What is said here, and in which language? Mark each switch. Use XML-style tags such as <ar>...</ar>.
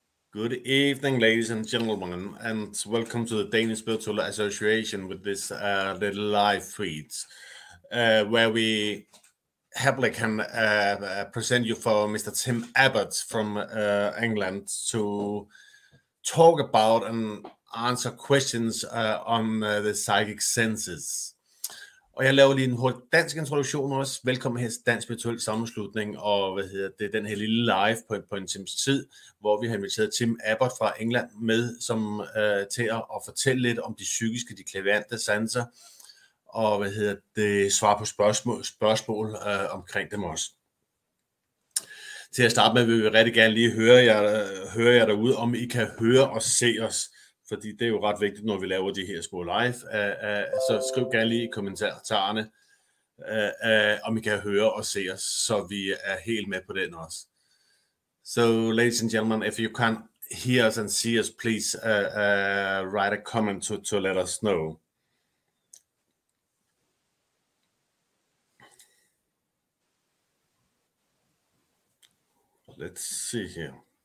<en>Good evening, ladies and gentlemen, and welcome to the Danish Spiritual Association with this little live feed, where we happily can present you for Mr. Tim Abbott from England to talk about and answer questions on the psychic senses.</en> <da>Og jeg laver lige en hurtig dansk introduktion også. Velkommen her til Dansk Spirituel Sammenslutning, og hvad hedder det, den her lille live på en times tid, hvor vi har inviteret Tim Abbott fra England med, som til at fortælle lidt om de psykiske, de clairvoyante sanser, og hvad hedder det, svare på spørgsmål omkring dem også. Til at starte med vil vi rigtig gerne lige høre jer derude, om I kan høre og se os. Fordi det er jo ret vigtigt, når vi laver de her små live. Så skriv gerne lige i kommentarerne, om I kan høre og se os, så vi er helt med på den også.</da> <en>So, ladies and gentlemen, if you can hear us and see us, please write a comment to let us know. Let's see here.</en>